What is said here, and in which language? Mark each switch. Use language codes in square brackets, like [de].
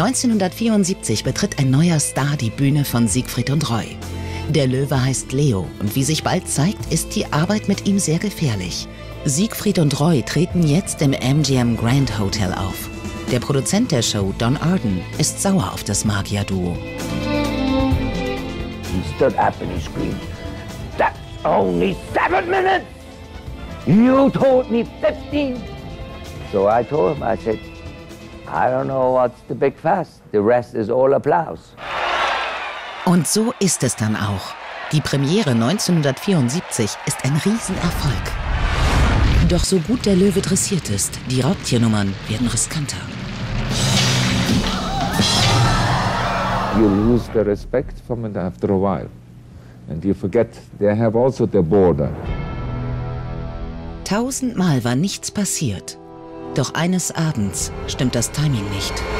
[de] 1974 betritt ein neuer Star die Bühne von Siegfried und Roy. Der Löwe heißt Leo und wie sich bald zeigt, ist die Arbeit mit ihm sehr gefährlich. Siegfried und Roy treten jetzt im MGM Grand Hotel auf. Der Produzent der Show, Don Arden, ist sauer auf das Magier-Duo. [en] He stood up and he screamed, "That's only 7 minutes! You told me 15!" So I told him, I said, "I don't know what's the big fuss. The rest is all applause." [de] Und so ist es dann auch. Die Premiere 1974 ist ein Riesenerfolg. Doch so gut der Löwe dressiert ist, die Raubtiernummern werden riskanter. [en] You lose the respect from it after a while. And you forget, they have also the border. [de] Tausendmal war nichts passiert. Doch eines Abends stimmt das Timing nicht.